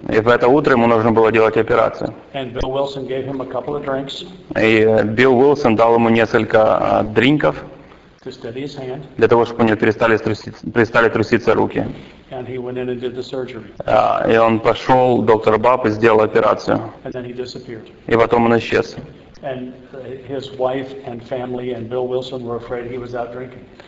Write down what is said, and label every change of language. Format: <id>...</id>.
<ru>И в это утро ему нужно было делать операцию.</ru> <en>And Bill Wilson gave him a couple of drinks.</en> <ru>И Билл Уилсон дал ему несколько дринков</ru> <en>to steady his hand.</en> <ru>Для того, чтобы у него перестали труситься руки.</ru> <en>And he went in and did the surgery.</en> <ru>И он пошел к доктору Бабу и сделал операцию.</ru> <en>And then he disappeared.</en> <ru>И потом он исчез.</ru> <en>And his wife and family and Bill Wilson were afraid he was out drinking.</en>